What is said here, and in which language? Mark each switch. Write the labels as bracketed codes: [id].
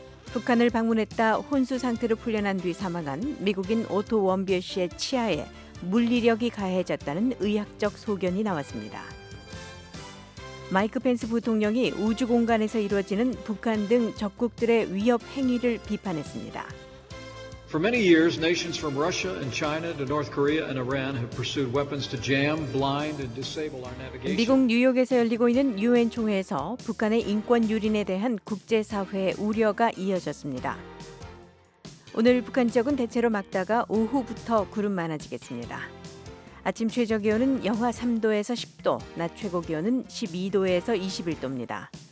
[ko] 북한을 방문했다 혼수 상태로 풀려난 뒤 사망한 미국인 오토 원비어 씨의 치아에 물리력이 가해졌다는 의학적 소견이 나왔습니다. 마이크 펜스 부통령이 우주공간에서 이루어지는 북한 등 적국들의 위협 행위를 비판했습니다. [en] For many years, nations from Russia and China to North Korea and Iran have pursued weapons to jam, blind, and disable our navigation. [ko] 미국 뉴욕에서 열리고 있는 UN 총회에서 북한의 인권 유린에 대한 국제사회의 우려가 이어졌습니다. 오늘 북한 지역은 대체로 맑다가 오후부터 구름 많아지겠습니다. 아침 최저기온은 영하 3도에서 10도, 낮 최고기온은 12도에서 21도입니다.